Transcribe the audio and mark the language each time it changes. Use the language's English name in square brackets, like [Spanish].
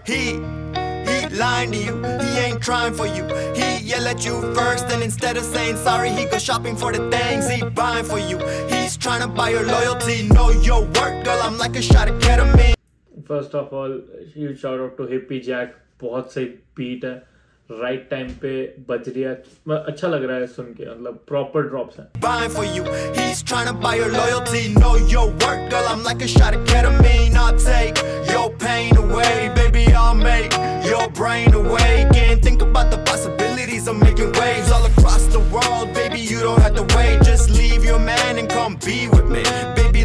[English] He lying to you, he ain't crying for you. He yell at you first, and instead of saying sorry, he go shopping for the things he buying for you. He's trying to buy your loyalty, know your worth, girl. I'm like a shot of ketamine. First of all, huge shout out to Hippie Jack. [Hindi] बहुत सही beat है, right time पे बज रही है, अच्छा लग रहा है सुन के. मतलब प्रॉपर ड्रॉप्स हैं. [English] Buying for you, he's trying to buy your loyalty, know your worth, girl. I'm like a shot of ketamine, I'll take your pain away, baby. I'll make your brain awake and think about the possibilities of making waves all across the world, baby. You don't have to wait, just leave your man and come be with me, baby.